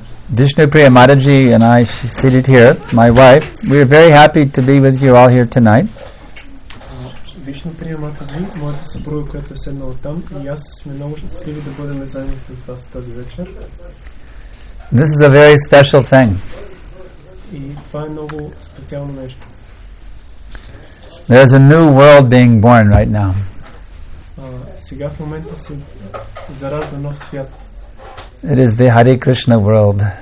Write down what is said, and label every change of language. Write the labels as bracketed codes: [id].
[en] Vishnupriya Mataji and I seated here, my wife. We are very happy to be with you all here tonight. [bg] Vishnupriya Mataji, моята съпруга, която е седнала там, и аз сме много щастливи да бъдем заедно с вас тази вечер. [en] This is a very special thing. [bg] И това е много специално нещо. [en] There is a new world being born right now. [bg] Сега в момента се заражда нов свят. [en] It is the Hare Krishna world.